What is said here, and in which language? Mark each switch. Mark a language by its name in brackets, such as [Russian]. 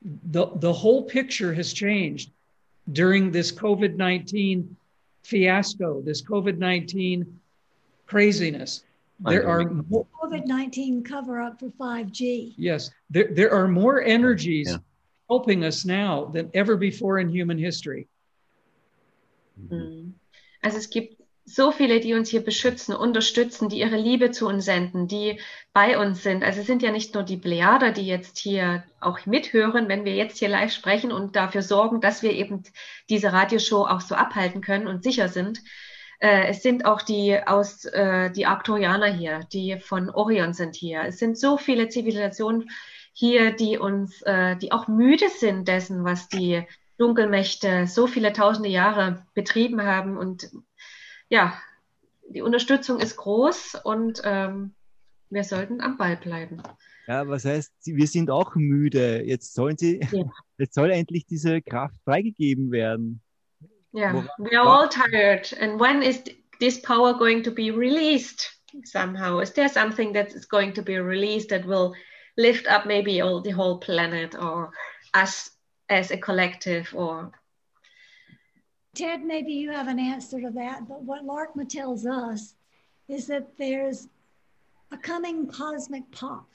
[English] The whole picture has changed during this COVID-19 fiasco, this COVID-19 craziness. There are more COVID-19 cover up for 5G. Yes, there are more energies helping us now than ever before in human history. [German] Also es gibt so viele, die uns hier beschützen, unterstützen, die ihre Liebe zu uns senden, die bei uns sind. Also es sind ja nicht nur die Plejader, die jetzt hier auch mithören, wenn wir jetzt hier live sprechen und dafür sorgen, dass wir eben diese Radioshow auch so abhalten können und sicher sind. Es sind auch die aus die Arcturianer hier, die von Orion sind hier. Es sind so viele Zivilisationen hier, die uns, die auch müde sind dessen, was die Dunkelmächte so viele tausende Jahre betrieben haben. Und ja, die Unterstützung ist groß und wir sollten am Ball bleiben. Ja, was heißt, wir sind auch müde. Jetzt sollen sie, jetzt soll endlich diese Kraft freigegeben werden. [English] Yeah, we are all tired. And when is this power going to be released somehow? Is there something that is going to be released that will lift up maybe all the whole planet or us as a collective? Or Ted, maybe you have an answer to that. But what Larkma tells us is that there's a coming cosmic pop.